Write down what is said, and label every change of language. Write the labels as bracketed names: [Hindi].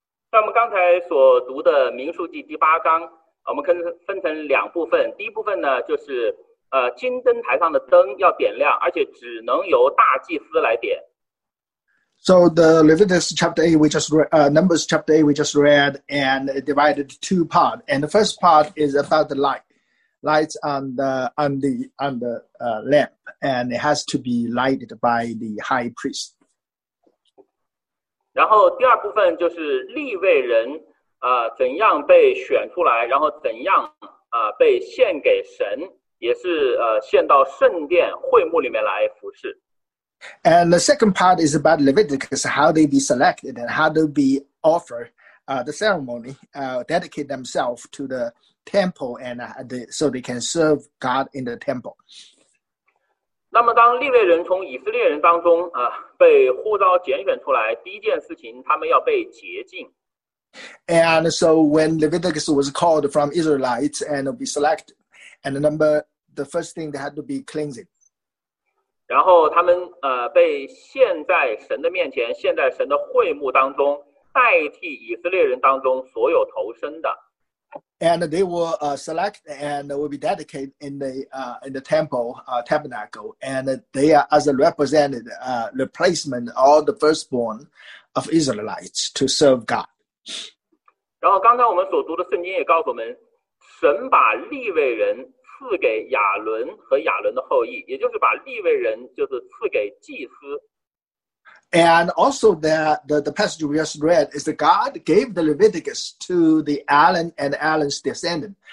[Chinese] 那么刚才所读的民数记第八章，我们分成两部分。第一部分呢，就是金灯台上的灯要点亮，而且只能由大祭司来点。 [English] So the Leviticus chapter 8 Numbers chapter 8 we just read and divided two part. And the first part is about the light on the lamp, and it has to be lighted by the high priest. [Chinese] 然后第二部分就是利未人，怎样被选出来，然后怎样被献给神，也是献到圣殿会幕里面来服事。 [English] And the second part is about Leviticus, how they be selected and how they be offered the ceremony, dedicate themselves to the temple and so they can serve God in the temple. [Chinese] 那么当利未人从以色列人当中被呼召拣选出来，第一件事情他们要被洁净。 [English] And so when Leviticus was called from Israelites and be selected, and the first thing they had to be cleansing. [Chinese] 然后他们被献在神的面前，献在神的会幕当中，代替以色列人当中所有投身的。 [English] And they will select and will be dedicated in the tabernacle, and they are as a replacement all the firstborn of Israelites to serve God. [Chinese] 然后刚才我们所读的圣经也告诉我们，神把利未人赐给亚伦和亚伦的后裔，也就是把利未人就是赐给祭司。 [English] And also the passage we just read is that God gave the Leviticus to the Aaron and Aaron's descendant.